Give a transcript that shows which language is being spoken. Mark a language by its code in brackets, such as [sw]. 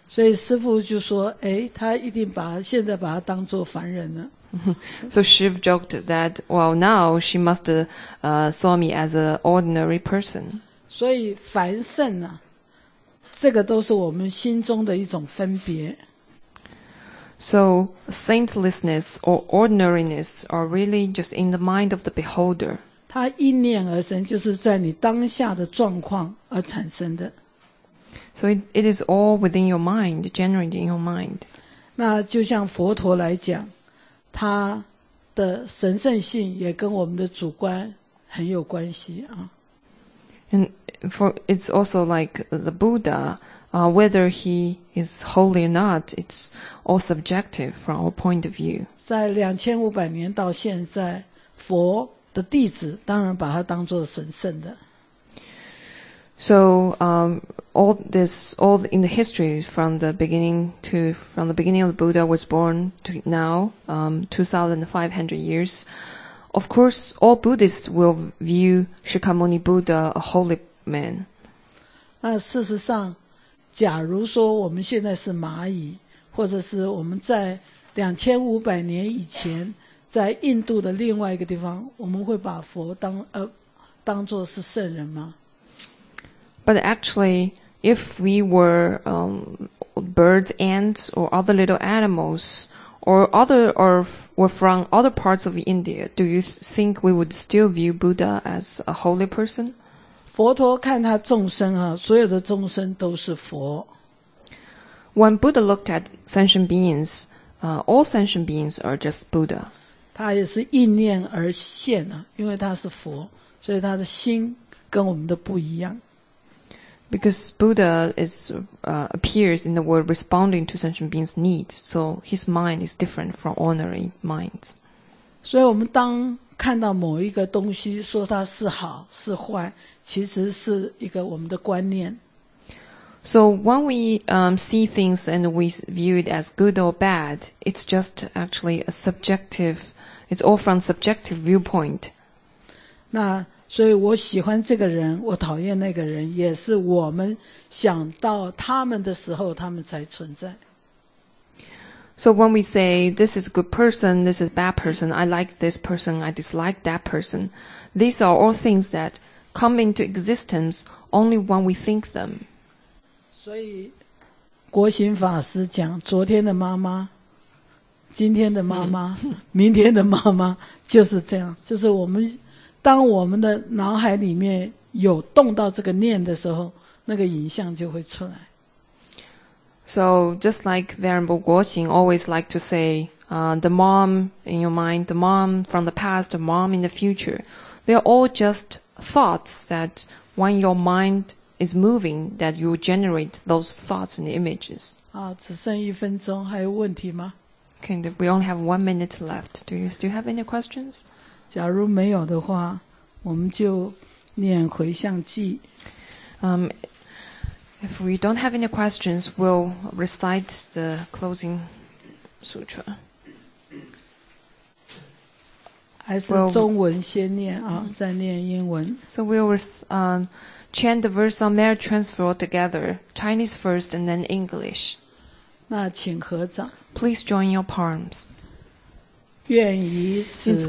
[zh] 所以师父就说，诶，她一定把现在把她当作凡人了。 [en] So Shiv joked that, well, now she must saw me as an ordinary person. [zh] 所以凡圣啊，这个都是我们心中的一种分别。 [en] So saintliness or ordinariness are really just in the mind of the beholder. [zh] 它一念而生，就是在你当下的状况而产生的。 [en] So it is all within your mind, generated in your mind. [zh] 那就像佛陀来讲，他的神圣性也跟我们的主观很有关系啊。 [en] And for it's also like the Buddha, whether he is holy or not, it's all subjective from our point of view. [zh] 在2500年到现在，佛的弟子当然把他当作神圣的。 [en] So, all in the history from the beginning of the Buddha was born to now, 2500 years. Of course, all Buddhists will view Shakyamuni Buddha a holy man. [zh] 那事实上，假如说我们现在是蚂蚁，或者是我们在2500年以前，在印度的另外一个地方，我们会把佛当作是圣人吗？ [en] But actually, if we were birds, ants, or other little animals, or were from other parts of India, do you think we would still view Buddha as a holy person? [zh] 佛陀看他众生啊，所有的众生都是佛。 [en] When Buddha looked at sentient beings, all sentient beings are just Buddha. [zh] 他也是一念而现啊，因为他是佛，所以他的心跟我们的不一样。 [en] Because Buddha is, appears in the world responding to sentient beings' needs, so his mind is different from ordinary minds. [zh] 所以我们当看到某一个东西说它是好是坏，其实是一个我们的观念。 [en] So when we see things and we view it as good or bad, it's just actually a subjective, it's all from subjective viewpoint. [zh] 那所以我喜欢这个人，我讨厌那个人，也是我们想到他们的时候，他们才存在。 [en] So when we say this is a good person, this is a bad person, I like this person, I dislike that person, these are all things that come into existence only when we think them. [zh] 所以国行法师讲，昨天的妈妈，今天的妈妈，明天的妈妈，就是这样，就是我们。当我们的脑海里面有动到这个念的时候，那个影像就会出来。 [en] So just like Venerable Guoqing always like to say, the mom in your mind, the mom from the past, the mom in the future, they are all just thoughts that when your mind is moving, that you generate those thoughts and images. [zh] 啊，只剩一分钟，还有问题吗 [en] ？Okay, we only have 1 minute left. Do you still have any questions? [zh] 假如没有的话，我们就念回向记。 [en] If we don't have any questions, we'll recite the closing sutra. [zh] 还是中文先念啊，再念英文。 [en] So we will chant the verse on merit transfer together, Chinese first and then English. [zh] 那请合掌。 [en] Please join your palms. [zh] 愿以此